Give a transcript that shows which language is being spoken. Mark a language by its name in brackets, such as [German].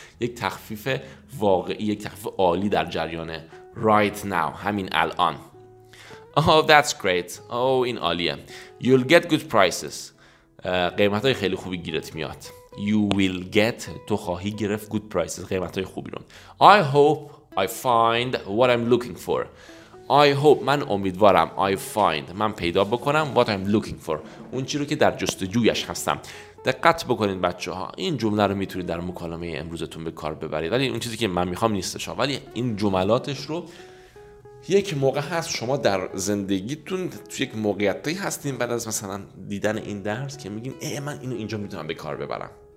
[Persian] یک تخفیف واقعی، یک تخفیف عالی در جریانه. [English] Right now. [Persian] همین الان. [English] Oh, that's great. Oh, [Persian] این عالیه. [English] You'll get good prices. [Persian] قیمت‌های خیلی خوبی گیرت میاد. [English] You will get. [Persian] تو خواهی گرفت [English] good prices. [Persian] قیمت‌های خوبی رو. [English] I hope I find what I'm looking for. I hope. [Persian] من امیدوارم. [English] I find. [Persian] من پیدا بکنم. [English] What I'm looking for. [Persian] اون چی رو که در جستجویش هستم. دقت بکنید بچه ها. این جمله رو میتونید در مکالمه امروزتون به کار ببرید. ولی اون چیزی که من میخوام نیستش. ولی این جملاتش رو یک موقع هست شما در زندگیتون توی یک موقعیتی هستین بعد از مثلا دیدن این درس که میگین ای من اینو اینجا میتونم به کار ببرم.